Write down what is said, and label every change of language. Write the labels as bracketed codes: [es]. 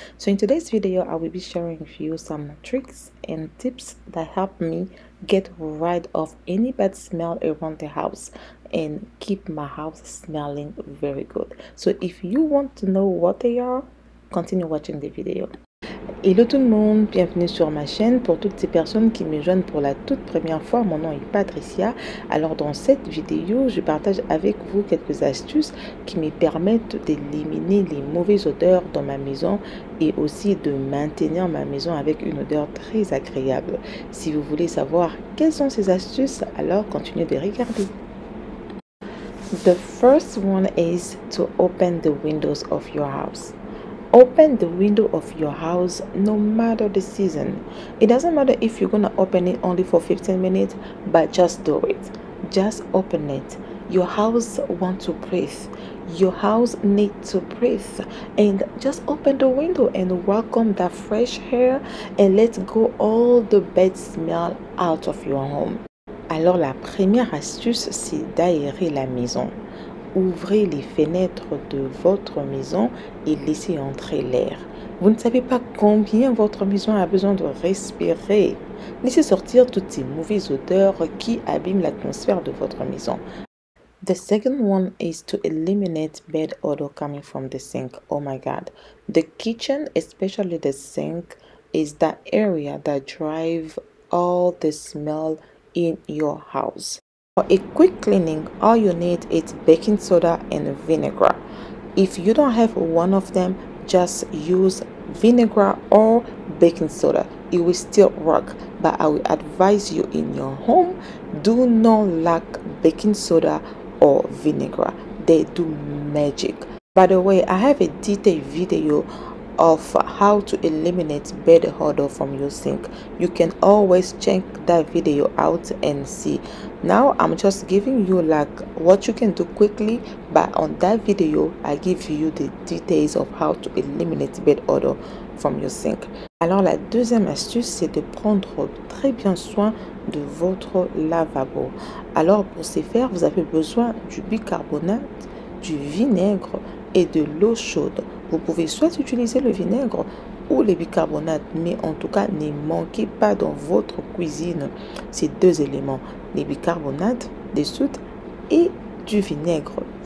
[en] So in today's video, I will be sharing with you some tricks and tips that help me get rid of any bad smell around the house and keep my house smelling very good. So if you want to know what they are, continue watching the video. [fr] Hello tout le monde, bienvenue sur ma chaîne. Pour toutes ces personnes qui me joignent pour la toute première fois, mon nom est Patricia. Alors dans cette vidéo, je partage avec vous quelques astuces qui me permettent d'éliminer les mauvaises odeurs dans ma maison et aussi de maintenir ma maison avec une odeur très agréable. Si vous voulez savoir quelles sont ces astuces, alors continuez de regarder. [en] The first one is to open the windows of your house. Open the window of your house no matter the season. It doesn't matter if you're gonna open it only for 15 minutes, but just do it. Just open it. Your house wants to breathe. Your house needs to breathe. And just open the window and welcome that fresh air and let go all the bad smell out of your home. [fr] Alors la première astuce, c'est d'aérer la maison. Ouvrez les fenêtres de votre maison et laissez entrer l'air. Vous ne savez pas combien votre maison a besoin de respirer. Laissez sortir toutes ces mauvaises odeurs qui abîment l'atmosphère de votre maison. [en] The second one is to eliminate bad odor coming from the sink. Oh my God. The kitchen, especially the sink, is that area that drives all the smell in your house. For a quick cleaning, all you need is baking soda and vinegar. If you don't have one of them, just use vinegar or baking soda. It will still work, but I will advise you in your home, do not lack baking soda or vinegar. They do magic. By the way, I have a detailed video of how to eliminate bad odor from your sink. You can always check that video out and see. Now I'm just giving you like what you can do quickly, but on that video I give you the details of how to eliminate bad odor from your sink. [fr] Alors la deuxième astuce, c'est de prendre très bien soin de votre lavabo. Alors pour ce faire, vous avez besoin du bicarbonate, du vinaigre et de l'eau chaude. Vous pouvez soit utiliser le vinaigre ou les bicarbonates, mais en tout cas, ne manquez pas dans votre cuisine ces deux éléments, les bicarbonates, des soutes et du vinaigre.